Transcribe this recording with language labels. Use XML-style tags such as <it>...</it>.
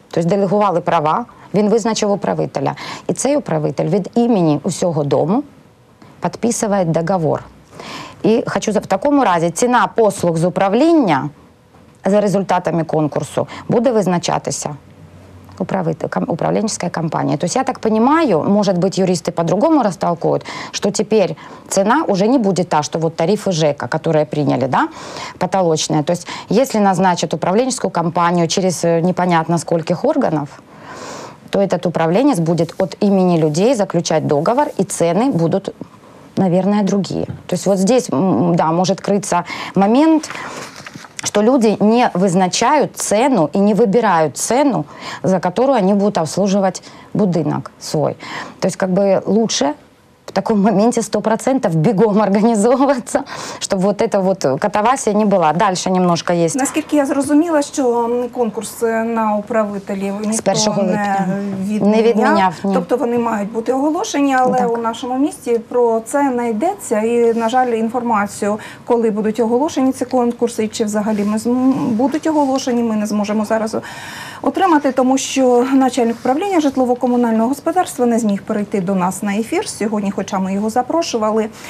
<uk>Тобто делегували права, він визначив управителя. І цей управитель від імені усього дому підписує договір. І хочу в такому разі ціна послуг з управління за результатами конкурсу буде визначатися</uk> <ru>управленческая компания. То есть я так понимаю, может быть, юристы по-другому растолкуют, что теперь цена уже не будет та, что вот тарифы ЖЭКа, которые приняли, да, потолочные. То есть если назначат управленческую компанию через непонятно скольких органов, то этот управленец будет от имени людей заключать договор, и цены будут, наверное, другие. То есть вот здесь, да, может крыться момент, что люди</ru> <uk>не визначають ціну і не вибирають ціну, за яку вони будуть обслуживати будинок свій. Тобто, якби, краще</uk> <ru>таком моменте 100% бегом организовываться, чтобы вот эта вот катавасия не была. Дальше немножко есть.</ru> <uk>Наскільки я зрозуміла, що конкурс на управителів ніхто з 1 липня не відміняв. Ні. Тобто вони мають бути оголошені, але так. У нашому місті про це не йдеться. І, на жаль, інформацію, коли будуть оголошені ці конкурси, чи взагалі ми будуть оголошені, ми не зможемо зараз отримати, тому що начальник управління житлово-комунального господарства не зміг перейти до нас на ефір сьогодні, хоча ми його запрошували.</uk>